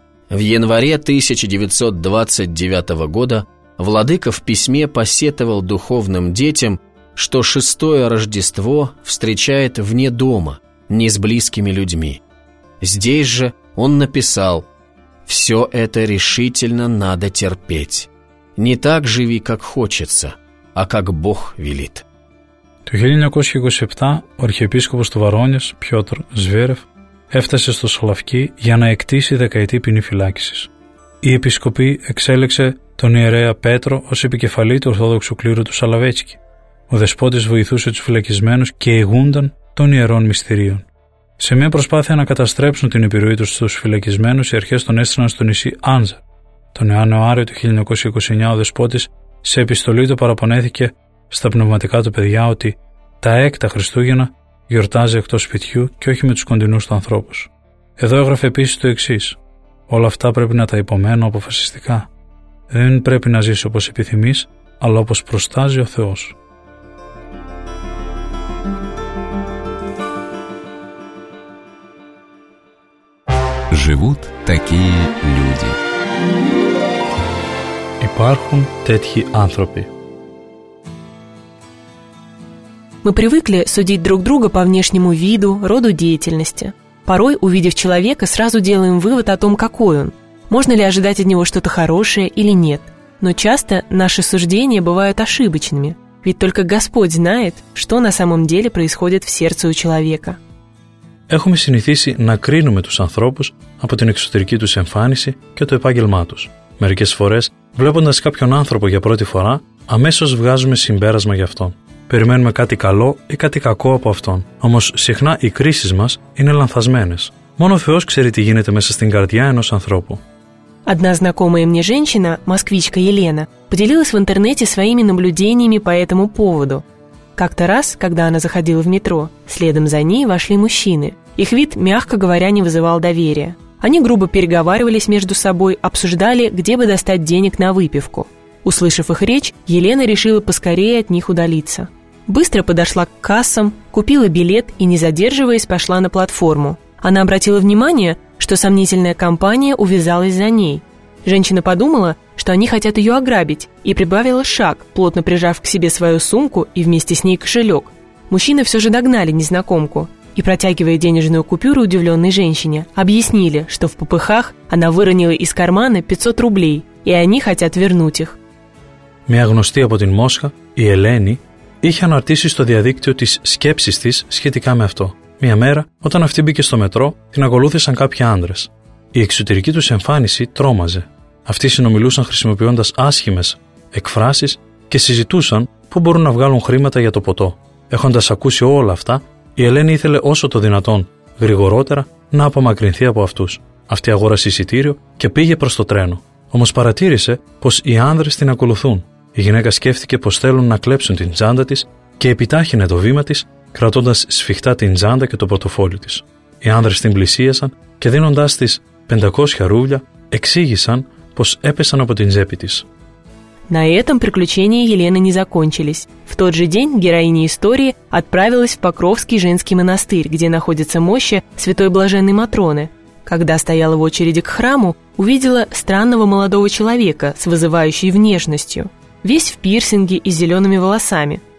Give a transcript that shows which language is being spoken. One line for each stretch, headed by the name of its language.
Russian: В январе 1929 года владыка в письме посетовал духовным детям, что 6-е Рождество встречает вне дома, не с близкими людьми. Здесь же он написал: «Все это решительно надо терпеть. Не так живи, как хочется, а как Бог велит».
Greek: Το 1927 ο αρχιεπίσκοπος του Βαρόνιας, Πιότρ Σβέρεφ, έφτασε στο Σολαυκή για να εκτίσει 10ετή ποινή φυλάκισης. Η Επισκοπή εξέλεξε τον ιερέα Πέτρο ως επικεφαλή του Ορθόδοξου κλήρου του Σαλαβέτσκι. Ο Δεσπότης βοηθούσε τους φυλακισμένους και ηγούνταν των ιερών μυστηρίων. Σε μια προσπάθεια να καταστρέψουν την επιρροή τους στους φυλακισμένους, οι αρχές τον έστειλαν στο νησί Άνζα. Τον Ιανουάριο του 1929 ο Δεσπότης σε επιστολή του παραπονέθηκε στα πνευματικά του παιδιά ότι τα έκτα Χριστούγεννα γιορτάζει εκτός σπιτιού και όχι με τους κοντινούς του ανθρώπους. Εδώ έγραφε επίσης το εξής: «Όλα αυτά πρέπει να τα υπομένω αποφασιστικά. Δεν πρέπει να ζήσω όπως επιθυμείς, αλλά όπως προστάζει ο Θεός».
Russian: Живут такие люди.
Greek: Υπάρχουν τέτοιοι άνθρωποι.
Russian: Мы привыкли судить друг друга по внешнему виду, роду деятельности. Порой, увидев человека, сразу делаем вывод о том, какой он. Можно ли ожидать от него что-то хорошее или нет. Но часто наши суждения бывают ошибочными. Ведь только Господь знает, что на самом деле происходит в сердце у человека.
Greek: Έχουμε συνηθίσει να κρίνουμε τους ανθρώπους από την εξωτερική τους εμφάνιση και το επάγγελμά τους. Μερικές φορές, βλέποντας κάποιον άνθρωπο για πρώτη φορά, αμέσως βγάζουμε συμπέρασμα γι' αυτόν. Περιμένουμε κάτι καλό ή κάτι κακό από αυτόν. Όμως συχνά οι κρίσεις μας είναι λανθασμένες. Μόνο ο Θεός ξέρει τι γίνεται μέσα στην καρδιά ενός ανθρώπου.
Russian: Одна знакомая мне женщина, москвичка Елена, поделилась в интернете своими наблюдениями по этому поводу. Как-то раз, когда она заходила в метро, следом за ней вошли мужчины. Их вид, мягко говоря, не вызывал доверия. Они грубо переговаривались между собой, обсуждали, где бы достать денег на выпивку. Услышав их речь, Елена решила поскорее от них удалиться. Быстро подошла к кассам, купила билет и, не задерживаясь, пошла на платформу. Она обратила внимание, что сомнительная компания увязалась за ней. Женщина подумала, что они хотят ее ограбить, и прибавила шаг, плотно прижав к себе свою сумку и вместе с ней кошелек. Мужчины все же догнали незнакомку и, протягивая денежную купюру удивленной женщине, объяснили, что в попыхах она выронила из кармана 500 рублей, и они хотят вернуть их.
Greek: Μια γνωστή από την Μόσχα, η Ελένη, είχε αναρτήσει στο διαδίκτυο τις σκέψεις της σχετικά με αυτό. Μια μέρα, όταν αυτή μπήκε στο μετρό, την ακολούθησαν κάποιοι άντρες. Η εξωτερική τους εμφάνιση τρόμαζε. Αυτοί συνομιλούσαν χρησιμοποιώντας άσχημες εκφράσεις και συζητούσαν πού μπορούν να βγάλουν χρήματα για το ποτό. Έχοντας ακούσει όλα αυτά, η Ελένη ήθελε όσο το δυνατόν γρηγορότερα να απομακρυνθεί από αυτούς. Αυτή αγόρασε εισιτήριο και πήγε προς το τρένο. Όμως παρατήρησε πως οι άνδρες την ακολουθούν. Η γυναίκα σκέφτηκε πως θέλουν να κλέψουν την τζάντα της και επιτάχυνε το βήμα της, κρατώντας σφιχτά την τζάντα και το πορτοφόλι της. Οι άνδρες την πλησίασαν και δίνοντάς της 500 ρούβλια, εξήγησαν πως έπεσαν από την τσέπη της.
Russian: На этом приключения Елены не закончились. В тот же день героиня истории отправилась в Покровский женский монастырь, где находится мощи святой блаженной Матроны. Когда стояла в очереди к храму, увидела странного молодого человека с вызывающей внешностью, весь в пирсинге и зелеными волосами.